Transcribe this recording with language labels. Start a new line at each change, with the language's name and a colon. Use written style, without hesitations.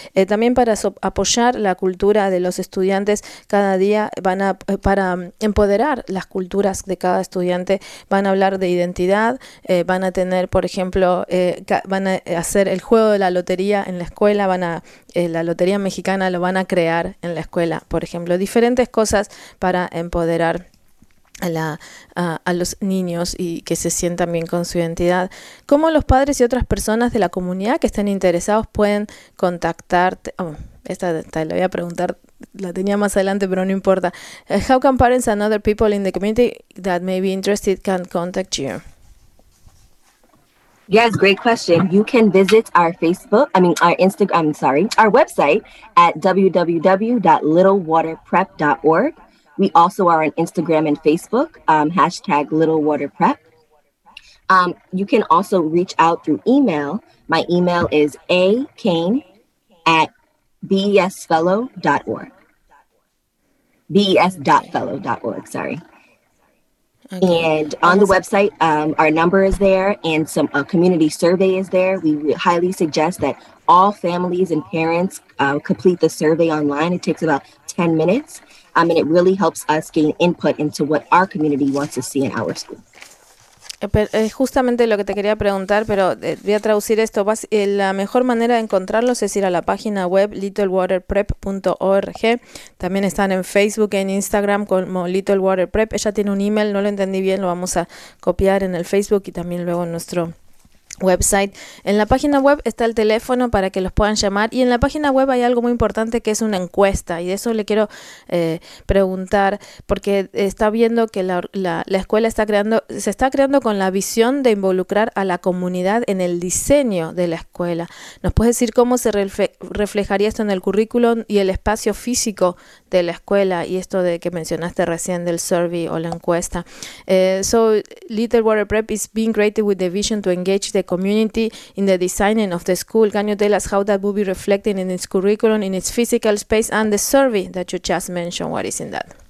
Spanish: También para apoyar la cultura de los estudiantes cada día, para empoderar las culturas de cada estudiante, van a hablar de identidad, van a tener, por ejemplo, van a hacer el juego de la lotería en la escuela, la lotería mexicana lo van a crear en la escuela, por ejemplo, diferentes cosas para empoderar a los niños y que se sientan bien con su identidad. ¿Cómo los padres y otras personas de la comunidad que estén interesados pueden contactarte? Oh, esta la voy a preguntar, la tenía más adelante, pero no importa.
English: How can parents and other people in the community that may be interested can contact you? Yes, great question. You can visit our Instagram, our website at www.littlewaterprep.org. We also are on Instagram and Facebook, hashtag littlewaterprep. You can also reach out through email. My email is acane@besfellow.org. Besfellow.org. Okay. And on the website, our number is there and a community survey is there. We highly suggest that all families and parents complete the survey online. It takes about 10 minutes and it really helps us gain input into what our community wants to see in our school.
Spanish: Justamente lo que te quería preguntar, pero voy a traducir esto. La mejor manera de encontrarlos es ir a la página web littlewaterprep.org. También están en Facebook, en Instagram como Little Water Prep. Ella tiene un email, no lo entendí bien, lo vamos a copiar en el Facebook y también luego en nuestro website. En la página web está el teléfono para que los puedan llamar y en la página web hay algo muy importante que es una encuesta y de eso le quiero preguntar porque está viendo que la escuela se está creando con la visión de involucrar a la comunidad en el diseño de la escuela. ¿Nos puedes decir cómo se reflejaría esto en el currículum y el espacio físico de la escuela y esto de que mencionaste recién del survey o la encuesta?
English: So Little Water Prep is being created with the vision to engage the community in the designing of the school. Can you tell us how that will be reflecting in its curriculum, in its physical space, and the survey that you just mentioned? What is in that?